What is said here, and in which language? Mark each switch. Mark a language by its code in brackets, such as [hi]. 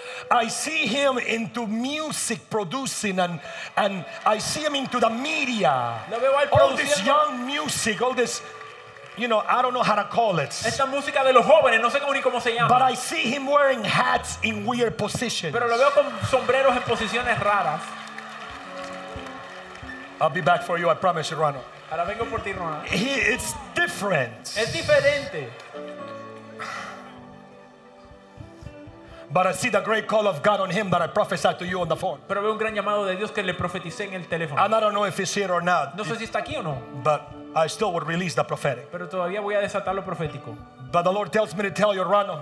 [en] I see him into music producing and I see him into the media. [es] Lo veo al [en] all this young music, all this... You know, I don't know how to call it. [es] Esta música de los jóvenes, no sé cómo ni cómo se llama. [en] But I see him wearing hats in weird positions. [es] Pero lo veo con sombreros en posiciones raras. [en] I'll be back for you, I promise you, Rano. [es] Ahora vengo por ti, Rano. [en] He, it's different. [es] Es diferente. [en] But I see the great call of God on him that I prophesied to you on the phone. [es] Pero veo un gran llamado de Dios que le profeticé en el teléfono. [en] And I don't know if he's here or not. [es] No sé si está aquí o no. [en] But I still would release the prophetic. [es] Pero todavía voy a desatar lo profético. [en] But the Lord tells me to tell you, Ronald.